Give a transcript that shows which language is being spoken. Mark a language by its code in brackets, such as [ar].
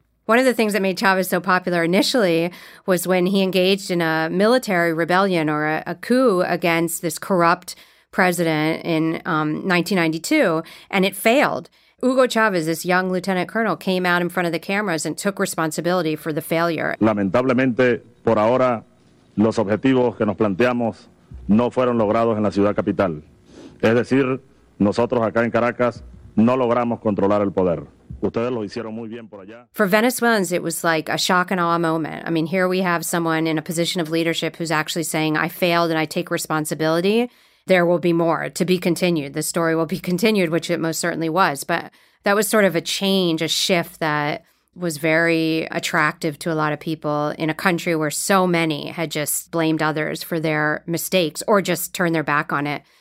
[en] One of the things that made Chavez so popular initially was when he engaged in a military rebellion or a coup against this corrupt president in 1992, and it failed. Hugo Chavez, this young lieutenant colonel, came out in front of the cameras and took responsibility for the failure. [es] Lamentablemente, por ahora, los objetivos que nos planteamos no fueron logrados en la ciudad capital. Es decir, nosotros acá en Caracas no logramos controlar el poder. Ustedes lo hicieron muy bien por allá. [en] For Venezuelans, it was like a shock and awe moment. I mean, here we have someone in a position of leadership who's actually saying, I failed and I take responsibility. There will be more to be continued. The story will be continued, which it most certainly was. But that was sort of a change, a shift that was very attractive to a lot of people in a country where so many had just blamed others for their mistakes or just turned their back on it.